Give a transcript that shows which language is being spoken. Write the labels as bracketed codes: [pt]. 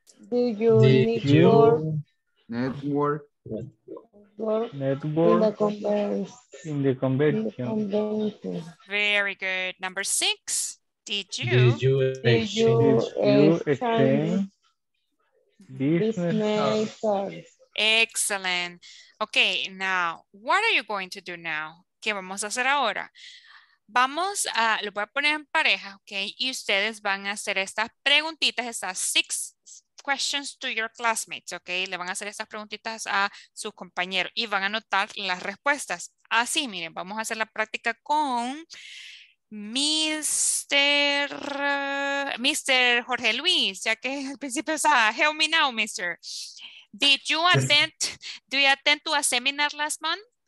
[en] Did you meet your network in the convention. Very good. Number 6. Did you exchange business cards. Excellent. Okay, now, what are you going to do now? [es] ¿Qué vamos a hacer ahora? Vamos a, lo voy a poner en pareja, ok, y ustedes van a hacer estas preguntitas, estas [en] 6 questions to your classmates, [es] ok, le van a hacer estas preguntitas a sus compañeros y van a anotar las respuestas. Así, miren, vamos a hacer la práctica con Mr. Jorge Luis, ya que al principio estaba, [en] help me now, mister. Do you attend to a seminar last month?